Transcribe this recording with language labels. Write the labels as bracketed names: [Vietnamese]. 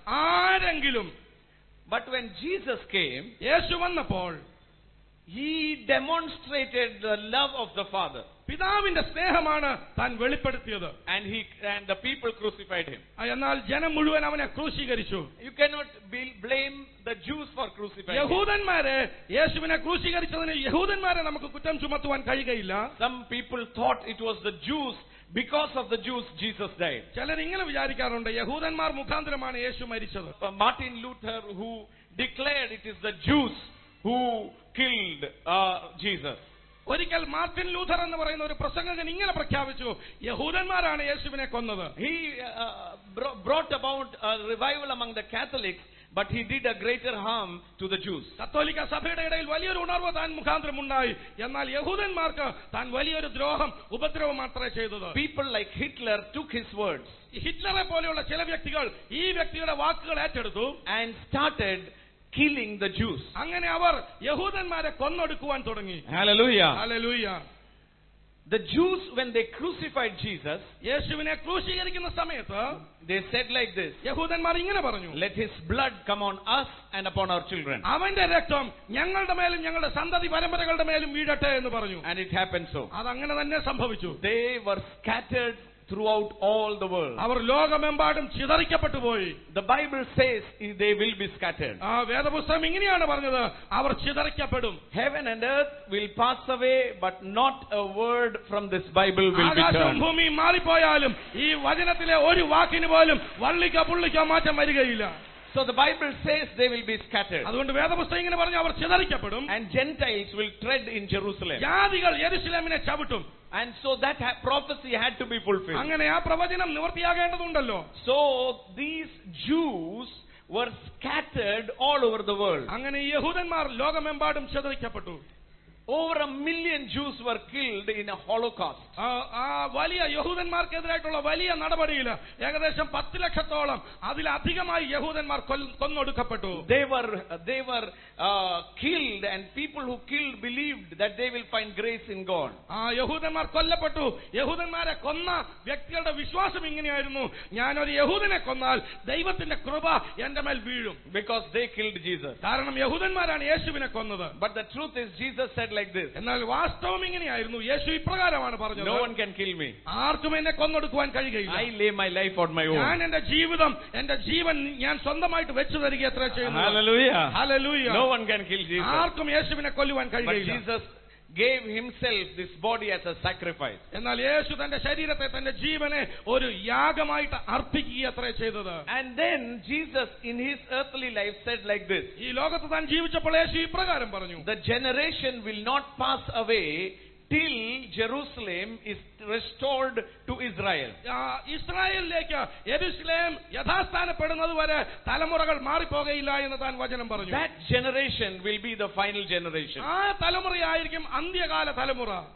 [Malayalam] ആരെങ്കിലും [English] But when Jesus came, [Malayalam] യേശു വന്നപ്പോൾ [English] He demonstrated the love of the Father. [Malayalam] പിതാവിന്റെ സ്നേഹമാണ് താൻ വെളിപ്പെടുത്തിയത്. [English] And the people crucified him. [Malayalam] എന്നാൽ ജനം മുഴുവൻ അവനെ ക്രൂശീകരിച്ചു. [English] You cannot blame the Jews for crucifying him. [Malayalam] യഹൂദന്മാരെ യേശുവിനെ ക്രൂശീകരിച്ചതിന് യഹൂദന്മാരെ നമുക്ക് കുറ്റം ചുമത്തുവാൻ കഴിയുകയില്ല. [English] Some people thought it was the Jews. Because of the Jews, Jesus died. [Malayalam] ചിലർ ഇങ്ങനെ വിചാരിക്കാറുണ്ട്, യഹൂദന്മാർ മുഖാന്തരമാണ് യേശു മരിച്ചത്. [English] Martin Luther, who declared it is the Jews who killed Jesus. [Malayalam] ഒരിക്കൽ മാർട്ടിൻ ലൂഥർ എന്ന് പറയുന്ന ഒരു പ്രസംഗകൻ ഇങ്ങനെ പ്രഖ്യാപിച്ചു, യഹൂദന്മാരാണ് യേശുവിനെ കൊന്നത്. [English] He brought about a revival among the Catholics. But he did a greater harm to the Jews. [Malayalam] കത്തോലിക്ക സഭയുടെ ഇടയിൽ വലിയൊരു ഉണർവ് താൻ മുഖാന്തരം ഉണ്ടായി, എന്നാൽ യഹൂദന്മാർക്ക് താൻ വലിയൊരു ദ്രോഹം ഉപദ്രവം മാത്രമേ ചെയ്തത്. [English] People like Hitler took his words. [Malayalam] ഹിറ്റ്ലറെ പോലെയുള്ള ചില വ്യക്തികൾ ഈ വ്യക്തിയുടെ വാക്കുകൾ ഏറ്റെടുത്തു. [English] And started killing the Jews. [Malayalam] അങ്ങനെ അവർ യഹൂദന്മാരെ കൊന്നൊടുക്കുവാൻ തുടങ്ങി. Hallelujah. Hallelujah. [English] The Jews, when they crucified Jesus, [Malayalam] യേശുവിനെ ക്രൂശീകരിക്കുന്ന സമയത്ത് [English] they said like this, [Malayalam] യഹൂദന്മാർ ഇങ്ങനെ പറഞ്ഞു, [English] let his blood come on us and upon our children. [Malayalam] അവന്റെ രക്തം ഞങ്ങളുടെ മേലും ഞങ്ങളുടെ സന്തതി പരമ്പരകളുടെ മേലും വീഴട്ടെ എന്ന് പറഞ്ഞു. [English] And it happened so. [Malayalam] അത് അങ്ങനെ തന്നെ സംഭവിച്ചു. [English] They were scattered throughout all the world. [Malayalam] അവർ ലോകമെമ്പാടും ചിതറിക്കപ്പെട്ടു പോയി. [English] The Bible says they will be scattered. [Malayalam] ആ വേദപുസ്തകം ഇങ്ങനെയാണ് പറഞ്ഞത്, അവർ ചിതറിക്കപ്പെടും. [English] Heaven and earth will pass away, but not a word from this Bible will be turned. [Malayalam] ആകാശവും ഭൂമിയും മാറിപ്പോയാലും ഈ വചനത്തിലെ ഒരു വാക്കിന് പോലും വള്ളിക്ക പുള്ളിക്ക മാറ്റം വരികയില്ല. [English] So the Bible says they will be scattered. [Malayalam] അതുകൊണ്ട് വേദപുസ്തകം ഇങ്ങനെ പറഞ്ഞു, അവർ ചിതറിക്കപ്പെടും. [English] And Gentiles will tread in Jerusalem. [Malayalam] ജാതികൾ യെരുശലേമിനെ ചവിട്ടും. [English] And so that prophecy had to be fulfilled. [Malayalam] അങ്ങനെ ആ പ്രവചനം നിവർത്തിയാകേണ്ടതുണ്ടല്ലോ. [English] So these Jews were scattered all over the world. [Malayalam] അങ്ങനെ യഹൂദന്മാർ ലോകമെമ്പാടും ചിതറിക്കപ്പെട്ടു. [English] Over a million Jews were killed in a Holocaust. [Malayalam] ആ വലിയ യഹൂദന്മാർക്കെതിരായിട്ടുള്ള വലിയ നടപടിയിൽ ഏകദേശം 1,000,000 അതിലധികമായി യഹൂദന്മാർ കൊന്നൊടുക്കപ്പെട്ടു. [English] They were killed and people who killed believed that they will find grace in God. [Malayalam] ആ യഹൂദന്മാർ കൊല്ലപ്പെട്ടു. യഹൂദന്മാരെ കൊന്ന വ്യക്തികളുടെ വിശ്വാസം ഇങ്ങനെയായിരുന്നു, ഞാൻ ഒരു യഹൂദനെ കൊന്നാൽ ദൈവത്തിന്റെ കൃപ എന്റെ മേൽ വീഴും. [English] Because they killed Jesus. [Malayalam] കാരണം യഹൂദന്മാരാണ് യേശുവിനെ കൊന്നത്. [English] But the truth is Jesus said like this. [Malayalam] എന്നാൽ വാസ്തവം ഇങ്ങനെയായിരുന്നു, യേശു ഇപ്രകാരമാണ് പറഞ്ഞത്, [English] No one can kill me. [Malayalam] ആർക്കും എന്നെ കൊന്നൊടുക്കുവാൻ കഴിയുകയില്ല. [English] I lay my life on my own. [Malayalam] ഞാൻ എന്റെ ജീവിതം എന്റെ ജീവൻ ഞാൻ സ്വന്തമായിട്ട് വെച്ചു തരികയത്ര ചെയ്യുന്നു. Hallelujah. Hallelujah. [English] No one can kill Jesus. [Malayalam] ആർക്കും യേശുവിനെ കൊല്ലുവാൻ കഴിയുകയില്ല. [English] But Jesus gave himself this body as a sacrifice. [Malayalam] എന്നാൽ യേശു തന്റെ ശരീരത്തെ തന്റെ ജീവനെ ഒരു യാഗമായിട്ട് അർപ്പിക്കുകയത്ര ചെയ്തത്. [English] And then Jesus in his earthly life said like this. [Malayalam] ഈ ലോകത്ത് താൻ ജീവിച്ചപ്പോൾ യേശു ഇപ്രകാരം പറഞ്ഞു, [English] The generation will not pass away till Jerusalem is restored to Israel. [Malayalam] ഇസ്രായേലിലേക്ക് യെരുശലേം യഥാസ്ഥാനപ്പെടുന്നതുവരെ തലമുറകൾ മാറിപ്പോകയില്ല എന്ന് താൻ വചനം പറഞ്ഞു. [English] That generation will be the final generation. [Malayalam] ആ തലമുറയായിരിക്കും അന്ത്യകാല തലമുറ.